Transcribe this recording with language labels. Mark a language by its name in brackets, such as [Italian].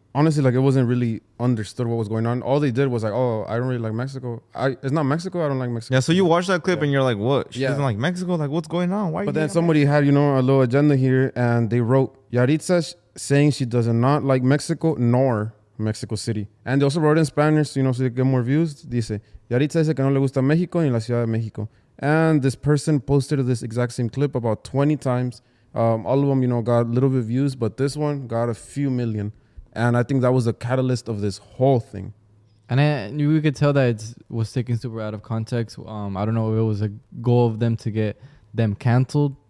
[English] Honestly, like, it wasn't really understood what was going on. All they did was like, oh, I don't really like Mexico. It's not Mexico. I don't like Mexico. Yeah, so you watch that clip and you're like, what? She doesn't like Mexico? Like, what's going on? Why? But then somebody had, you know, a little agenda here, and they wrote Yaritza saying she does not like Mexico nor Mexico City. And they also wrote in Spanish, you know, so they get more views. [Spanish] Dice, Yaritza dice que no le gusta México ni la Ciudad de México. [English] And this person posted this exact same clip about 20 times. All of them, you know, got a little bit of views, but this one got a few million. And I think that was the catalyst of this whole thing. And we could tell that it was taken super out of context. I don't know if it was a goal of them to get them canceled.